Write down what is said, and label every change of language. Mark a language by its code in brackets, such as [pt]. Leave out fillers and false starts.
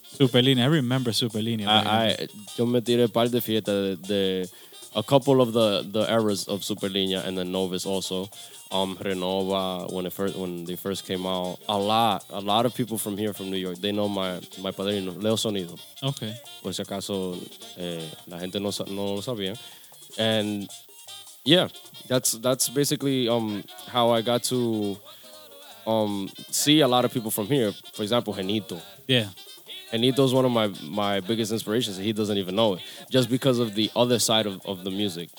[en] Super Línea. I remember Super Línea. [es] Yo me tiré par de fiesta de [en] a couple of the eras of Super Línea and then Novus also. Renova, when they first came out, a lot of people from here, from New York, they know my padrino, Leo Sonido. Okay. [es] Por si acaso, la gente no lo sabía. [en] And yeah, that's basically how I got to see a lot of people from here. For example, Genito. Yeah. Genito is one of my biggest inspirations. He doesn't even know it, just because of the other side of the music.